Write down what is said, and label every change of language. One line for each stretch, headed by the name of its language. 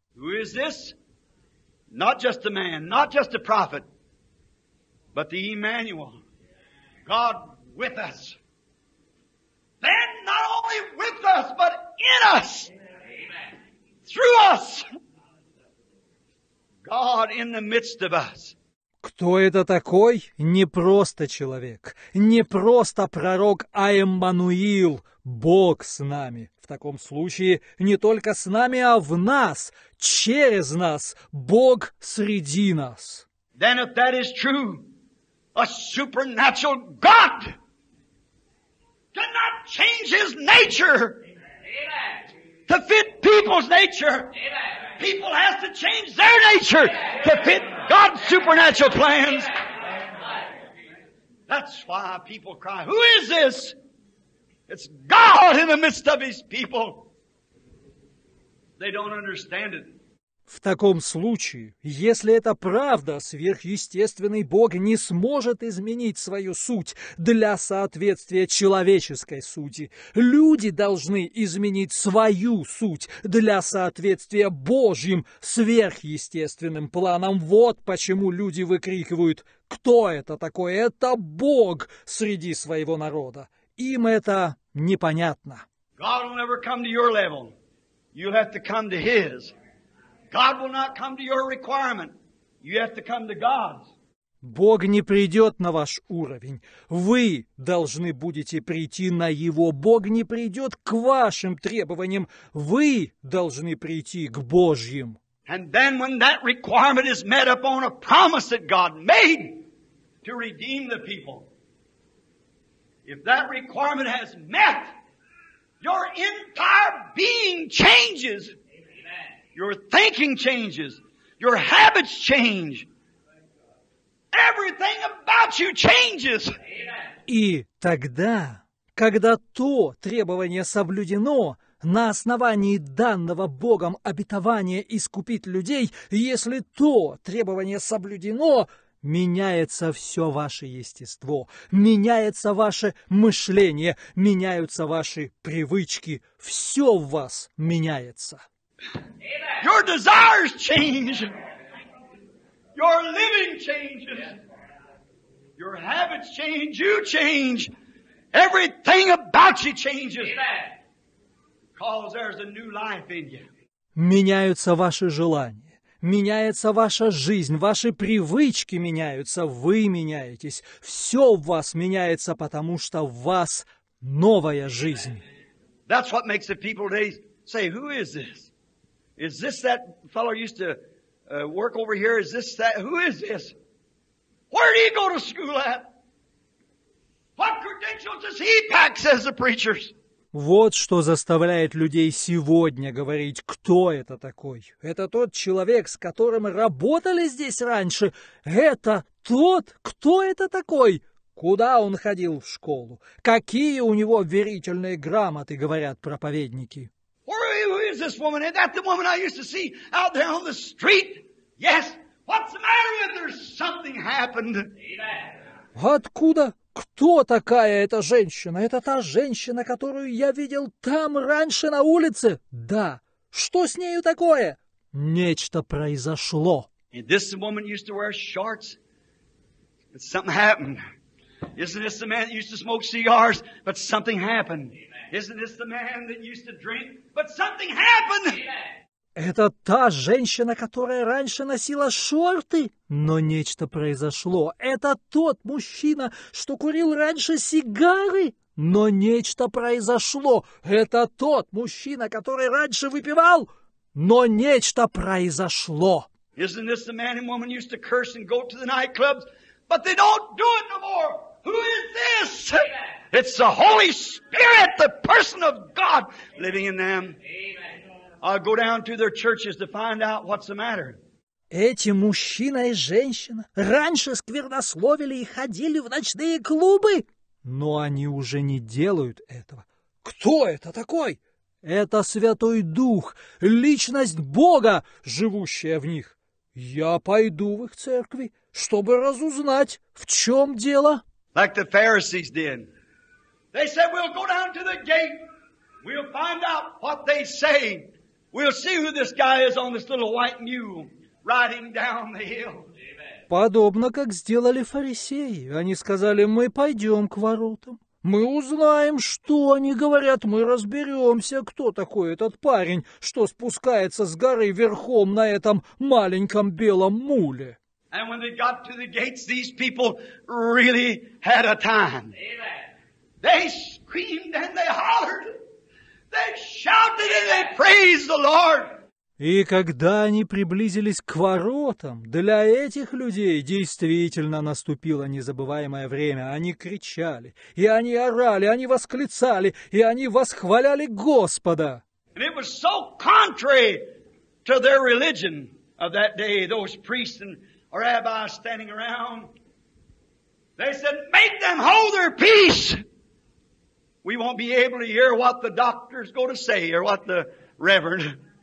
English: Who is this? Not just a man, not just a prophet, but the Emmanuel, God with us. Then not only with us, but in us, Amen. Through us, God in the midst of us.
Russian: Кто это такой? Не просто человек, не просто пророк, а Эммануил, Бог с нами. В таком случае не только с нами, а в нас, через нас, Бог среди нас.
English: Then if that is true, a supernatural God cannot change his nature to fit people's nature. People has to change their nature to fit God's supernatural plans. That's why people cry, who is this? It's God in the midst of his people. They don't understand it.
Russian: В таком случае, если это правда, сверхъестественный Бог не сможет изменить свою суть для соответствия человеческой сути. Люди должны изменить свою суть для соответствия Божьим сверхъестественным планам. Вот почему люди выкрикивают: «Кто это такой? Это Бог среди своего народа!» Им это непонятно.
English: God will never come to your level. You'll have to come to his. God will not come to your requirement. You have to come to God's.
Russian: Бог не придет на ваш уровень. Вы должны будете прийти на Его. Бог не придет к вашим требованиям. Вы должны прийти к Божьим.
English: And then when that requirement is met upon a promise that God made to redeem the people, if that requirement has met, your entire being changes. Your thinking changes. Your habits change. Everything about you changes.
Russian: И тогда, когда то требование соблюдено, на основании данного Богом обетования искупить людей, если то требование соблюдено, меняется все ваше естество, меняется ваше мышление, меняются ваши привычки, все в вас меняется.
English: Your desires change. Your living changes. Your habits change. You change. Everything about you changes. Because there's a new life in you.
Russian: Меняются ваши желания. Меняется ваша жизнь. Ваши привычки меняются. Вы меняетесь. Все в вас меняется, потому что в вас новая жизнь.
English: That's what makes the people today say, who is this? Is this that fellow used to work over here? Is this that? Who is this? Where did he go to school at? What credentials does he pack, says the preachers?
Russian: Вот что заставляет людей сегодня говорить, кто это такой. Это тот человек, с которым работали здесь раньше. Это тот, кто это такой. Куда он ходил в школу? Какие у него верительные грамоты, говорят проповедники.
English: This woman, is that the woman I used to see out there on the street? Yes. What's the matter with her? Something happened. Amen.
Russian: Откуда? Кто такая эта женщина? Это та женщина, которую я видел там раньше на улице? Да. Что с нею такое? Нечто произошло.
English: And this woman used to wear shorts, but something happened. Isn't this the man that used to smoke cigars, but something happened? Isn't this the man that used to drink? But something happened.
Russian: Это та женщина, которая раньше носила шорты, но нечто произошло. Это тот мужчина, что курил раньше сигары, но нечто произошло. Это тот мужчина, который раньше выпивал, но нечто произошло.
English: Isn't this the man and woman used to curse and go to the nightclubs, but they don't do it no more? Who is this? Amen. It's the Holy Spirit, the person of God, living in them. Amen. I'll go down to their churches to find out what's the matter.
Russian: Эти мужчина и женщина раньше сквернословили и ходили в ночные клубы, но они уже не делают этого. Кто это такой? Это Святой Дух, личность Бога, живущая в них. Я пойду в их церкви, чтобы разузнать, в чем дело.
English: Like the Pharisees did. They said, we'll go down to the gate. We'll find out what they say. We'll see who this guy is on this little white mule riding down the hill.
Russian: Подобно как сделали фарисеи, они сказали: мы пойдем к воротам. Мы узнаем, что они говорят, мы разберемся, кто такой этот парень, что спускается с горы верхом на этом маленьком белом муле.
English: And when they got to the gates, these people really had a time. Amen. They screamed and they hollered. They shouted and they praised the Lord.
Russian: И когда они приблизились к воротам, для этих людей действительно наступило незабываемое время. Они кричали, и они орали, они восклицали, и они восхваляли Господа.
English: And it was so contrary to their religion of that day, those priests and rabbis standing around. They said, make them hold their peace. We won't be able to hear what the doctors go to say or what the reverend...